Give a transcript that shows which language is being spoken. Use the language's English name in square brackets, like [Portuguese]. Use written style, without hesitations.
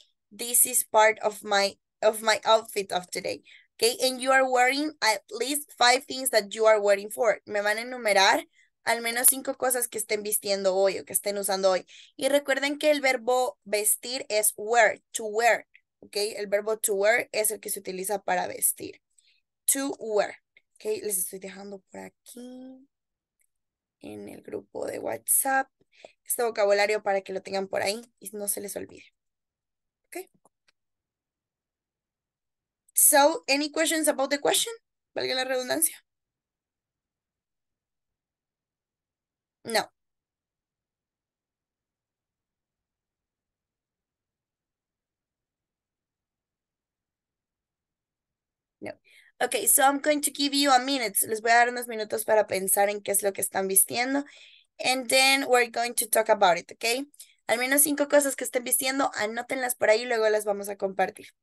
[English] This is part of my outfit of today. Okay, and you are wearing at least five things that you are wearing for. [Spanish] Me van a enumerar al menos cinco cosas que estén vistiendo hoy o que estén usando hoy. Y recuerden que el verbo vestir es wear, to wear. Okay, el verbo to wear es el que se utiliza para vestir. To wear. Okay, les estoy dejando por aquí en el grupo de WhatsApp este vocabulario para que lo tengan por ahí y no se les olvide. [English] So, any questions about the question? [Spanish] ¿Valga la redundancia? [English] No. No. Okay, so I'm going to give you a minute. [Spanish] Les voy a dar unos minutos para pensar en qué es lo que están vistiendo. [English] And then we're going to talk about it, okay? [Spanish] Al menos cinco cosas que estén vistiendo, anótenlas por ahí y luego las vamos a compartir.